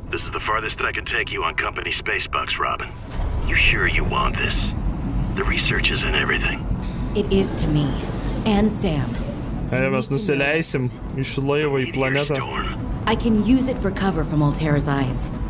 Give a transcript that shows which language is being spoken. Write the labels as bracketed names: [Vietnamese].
[English] This is the farthest I can take you on company space bucks, Robin. You sure you want this? The research is in everything. It is to me, and Sam. [Lithuanian] Hei, mes nusileisim iš laivo į planetą. [English] I can use it for cover from Altera's eyes.